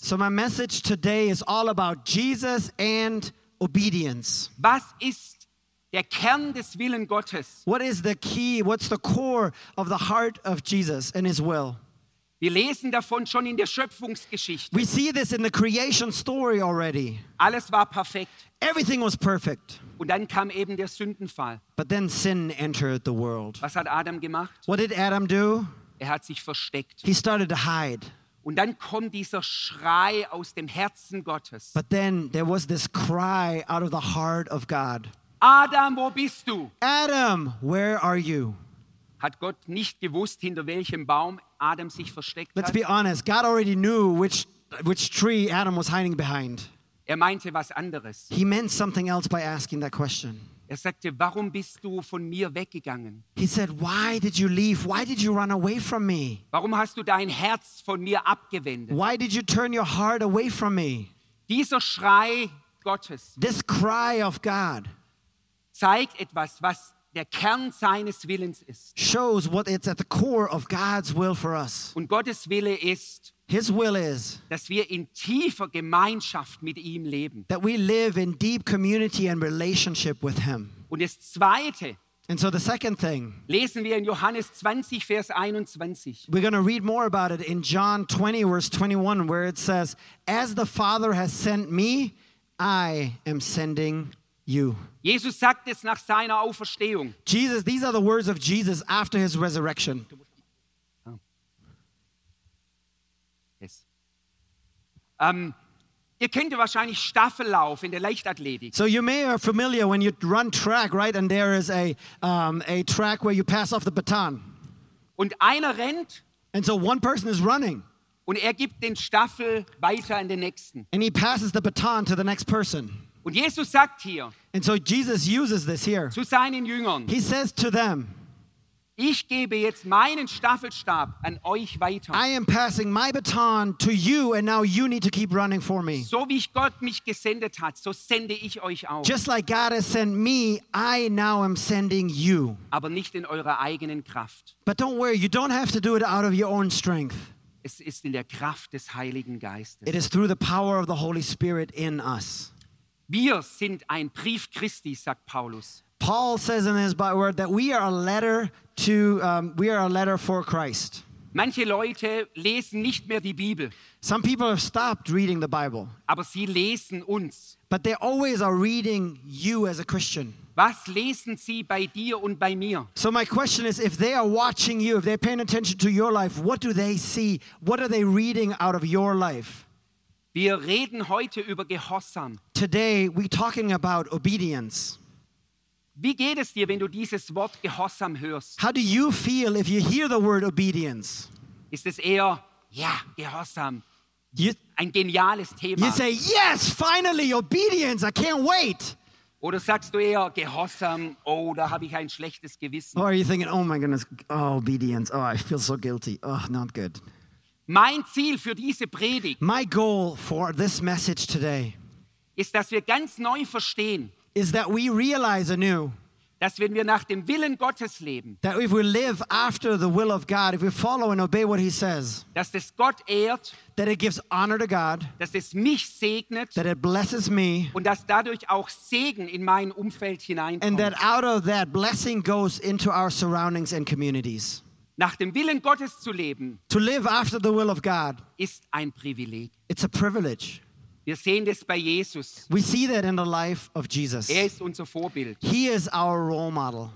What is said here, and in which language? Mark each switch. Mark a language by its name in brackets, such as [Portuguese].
[English] So my message today is all about Jesus and obedience. [German] Was ist der Kern des Willen Gottes? [English] What is the key? What's the core of the heart of Jesus and his will? [German] Wir lesen davon schon in der Schöpfungsgeschichte. [English] We see this in the creation story already. [German] Alles war perfekt. [English] Everything was perfect. [German] Und dann kam eben der Sündenfall. [English] But then sin entered the world. [German] Was hat Adam gemacht? [English] What did Adam do? [German] Er hat sich versteckt. [English] He started to hide. [German] Und dann kommt dieser Schrei aus dem Herzen Gottes. [English] But then there was this cry out of the heart of God. [German] Adam, wo bist du? [English] Adam, where are you? [German] Hat Gott nicht gewusst, hinter welchem Baum Adam sich versteckt [English] Let's [German] hat? [English] Let's be honest. God already knew which tree Adam was hiding behind. [German] Er meinte was anderes. [English] He meant something else by asking that question. [German] Er sagte, warum bist du von mir weggegangen? [English] He said, why did you leave? Why did you run away from me? [German] Warum hast du dein Herz von mir abgewendet? [English] Why did you turn your heart away from me? [German] Dieser Schrei Gottes. [English] This cry of God. [German] Zeigt etwas, was der Kern seines Willens ist. [English] Shows what it's at the core of God's will for us. [German] Und Gottes Wille ist. [English] His will is. [German] Dass wir in tiefer Gemeinschaft mit ihm leben. [English] That we live in deep community and relationship with him. [German] Und das Zweite. [English] And so the second thing. [German] Lesen wir in Johannes 20, Vers 21. [English] We're going to read more about it in John 20, Verse 21, where it says, as the Father has sent me, I am sending you. [German] Jesus sagt es nach seiner Auferstehung. [English] Jesus, these are the words of Jesus after his resurrection. Oh. Yes. [German] Ihr kennt wahrscheinlich Staffellauf in der Leichtathletik. [English] So you may are familiar when you run track, right? And there is a track where you pass off the baton. [German] Und einer rennt. [English] And so one person is running. [German] Und er gibt den Staffel weiter an den nächsten. [English] And he passes the baton to the next person. [German] Und Jesus sagt hier. [English] And so Jesus uses this here. [German] Zu seinen Jüngern. [English] He says to them. [German] Ich gebe jetzt meinen Staffelstab an euch weiter. [English] I am passing my baton to you and now you need to keep running for me. [German] So wie ich Gott mich gesendet hat, so sende ich euch auch. [English] Just like God has sent me, I now am sending you. [German] Aber nicht in eurer eigenen Kraft. [English] But don't worry, you don't have to do it out of your own strength. [German] Es ist in der Kraft des Heiligen Geistes. [English] It is through the power of the Holy Spirit in us. [German] Wir sind ein Brief Christi, sagt Paulus. [English] Paul says in his by word that we are a letter to we are a letter for Christ. [German] Manche Leute lesen nicht mehr die Bibel. [English] Some people have stopped reading the Bible. [German] Aber sie lesen uns. [English] But they always are reading you as a Christian. [German] Was lesen sie bei dir und bei mir? [English] So my question is, if they are watching you, if they're paying attention to your life, what do they see? What are they reading out of your life? [German] Wir reden heute über Gehorsam. [English] Today we're talking about obedience. [German] Wie geht es dir, wenn du dieses Wort Gehorsam hörst? [English] How do you feel if you hear the word obedience? [German] Ist es eher, ja, Gehorsam, ein geniales Thema? [English] You say, yes, finally, obedience, I can't wait. [German] Oder sagst du eher, Gehorsam, oh, da habe ich ein schlechtes Gewissen. [English] Or are you thinking, oh my goodness, oh, obedience, oh, I feel so guilty, oh, not good. [German] Mein Ziel für diese Predigt. [English] My goal for this message today. [German] Ist, dass wir ganz neu verstehen. [English] Is that we realize anew, [German] dass wenn wir nach dem Willen Gottes leben, [English] that if we live after the will of God, if we follow and obey what he says, [German] dass es Gott ehrt, [English] that it gives honor to God, [German] dass es mich segnet, [English] that it blesses me, [German] und dass dadurch auch Segen in mein Umfeld hineinkommt, [English] and that out of that blessing goes into our surroundings and communities. [German] Nach dem Willen Gottes zu leben, [English] to live after the will of God, [German] ist ein Privileg. [English] It's a privilege. [German] Wir sehen das bei Jesus. [English] We see that in the life of Jesus. [German] Er ist unser Vorbild. [English] He is our role model.